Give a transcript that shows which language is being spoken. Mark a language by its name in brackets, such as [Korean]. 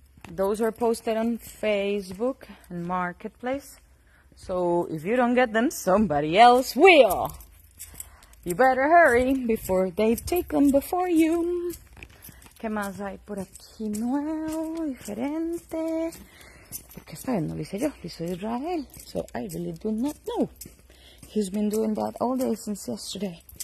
[English] Those are posted on Facebook and Marketplace. So if you don't get them, somebody else will. You better hurry before they take them before you. [Spanish] ¿Qué más hay por aquí nuevo, diferente? Porque esta vez no lo hice yo, lo hizo Israel. [English] So I really do not know. He's been doing that all day since yesterday.